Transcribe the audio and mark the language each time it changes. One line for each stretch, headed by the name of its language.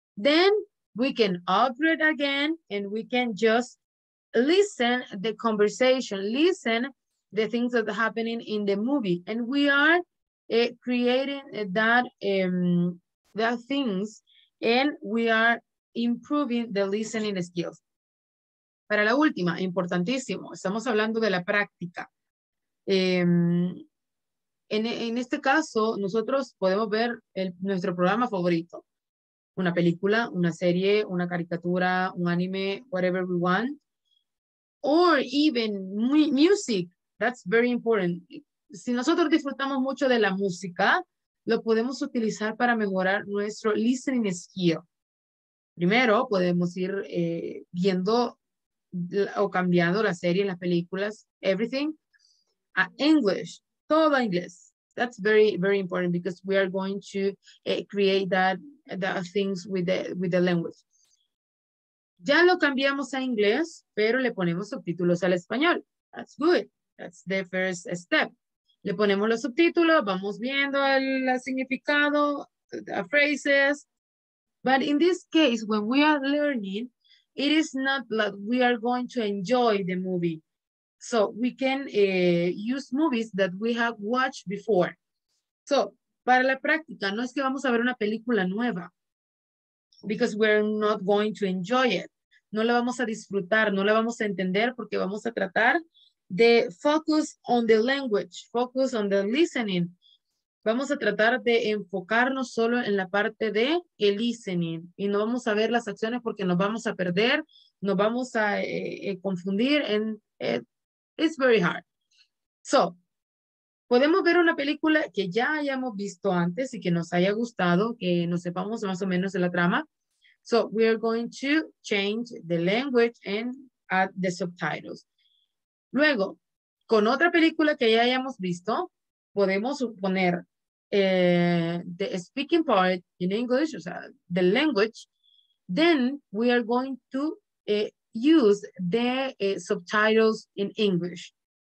English: Then we can upgrade again and we can just listen the conversation, listen the things that are happening in the movie. And we are creating that that things and we are improving the listening skills.
Spanish: Para la última, importantísimo, estamos hablando de la práctica. En este caso, nosotros podemos ver nuestro programa favorito. Una película, una serie, una caricatura, un anime,
English: whatever we want. Or even music. That's very important.
Spanish: Si nosotros disfrutamos mucho de la música, lo podemos utilizar para mejorar nuestro listening skill. primero podemos ir viendo o cambiando las series, las películas, everything, a English, todo a inglés.
English: That's very, very important because we are going to create that things with the language.
Spanish: Ya lo cambiamos a inglés, pero le ponemos subtítulos al español.
English: That's good. That's the first step.
Spanish: Le ponemos los subtítulos, vamos viendo el significado,
English: the phrases. But in this case, when we are learning, it is not like we are going to enjoy the movie. So we can use movies that we have watched before.
Spanish: So, para la práctica, no es que vamos a ver una película nueva,
English: because we're not going to enjoy it.
Spanish: No la vamos a disfrutar, no la vamos a entender, porque vamos a tratar de
English: focus on the language, focus on the listening.
Spanish: Vamos a tratar de enfocarnos solo en la parte de el listening y no vamos a ver las acciones porque nos vamos a perder, nos vamos a confundir.
English: It's very hard.
Spanish: So, podemos ver una película que ya hayamos visto antes y que nos haya gustado, que nos sepamos más o menos de la trama.
English: So, we are going to change the language and add the subtitles.
Spanish: Luego, con otra película que ya hayamos visto, podemos poner
English: the speaking part in English,
Spanish: o sea,
English: the language, then we are going to use the subtitles in English.